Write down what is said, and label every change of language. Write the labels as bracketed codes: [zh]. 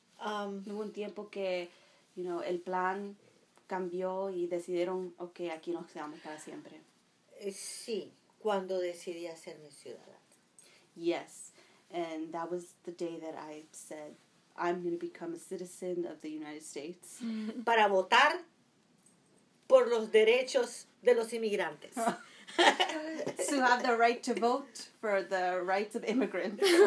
[es] Hubo un tiempo que, [en] you know, [es] el plan cambió y decidieron, okay, aquí nos quedamos para siempre. Sí, cuando decidí hacerme ciudadana. [en] Yes, and that was the day that I said, I'm going to become a citizen of the United States. [es] Para votar por los derechos de los inmigrantes. [en] So have the right to vote for the rights of immigrants.